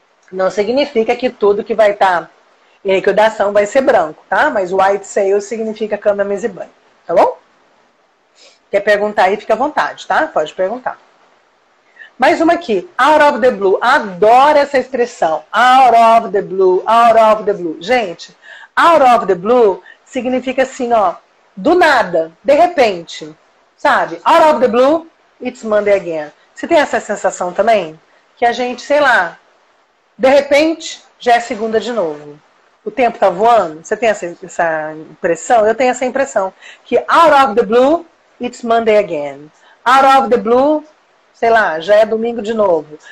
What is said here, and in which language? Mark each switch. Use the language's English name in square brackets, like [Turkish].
[Portuguese] Não significa que tudo que vai estar em liquidação vai ser branco, tá? Mas white sale significa cama, mesa e banho. Tá bom? Quer perguntar aí? Fica à vontade, tá? Pode perguntar. Mais uma aqui, out of the blue. Adoro essa expressão. Out of the blue, out of the blue. Gente, out of the blue significa assim, ó, do nada, de repente. Sabe? [English] Out of the blue, it's Monday again. [Portuguese] Você tem essa sensação também? Que a gente, sei lá, de repente já é segunda de novo. O tempo tá voando? Você tem essa impressão? Eu tenho essa impressão. Que out of the blue, [English] It's Monday again. Out of the blue, [Portuguese] sei lá, já é domingo de novo.